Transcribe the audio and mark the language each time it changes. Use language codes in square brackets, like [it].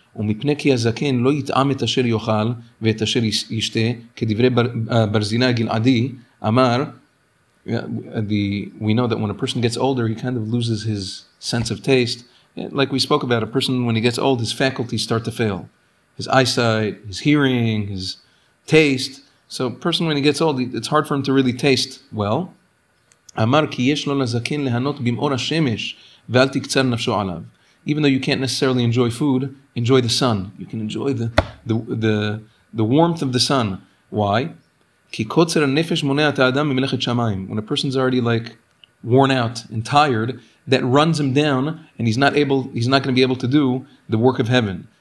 [he] ומפני כי הזקן לא יתאם את אשר יאכל ואת אשר ישתה, כדברי ברזינה גלעדי, אמר, [en] we know that when a person gets older, he kind of loses his sense of taste. Like we spoke about, a person when he gets old, his faculties start to fail. His eyesight, his hearing, his taste. So a person when he gets old, it's hard for him to really taste well. [he] אמר, כי יש לו לזקן להנות במאור השמש ואל תקצר נפשו עליו. [en] Even though you can't necessarily enjoy food, enjoy the sun. You can enjoy the warmth of the sun. Why? [he] Ki kotzer nefesh moneh at adam mimelechet shamayim. [en] When a person's already like worn out and tired, that runs him down, and he's not going to be able to do the work of heaven.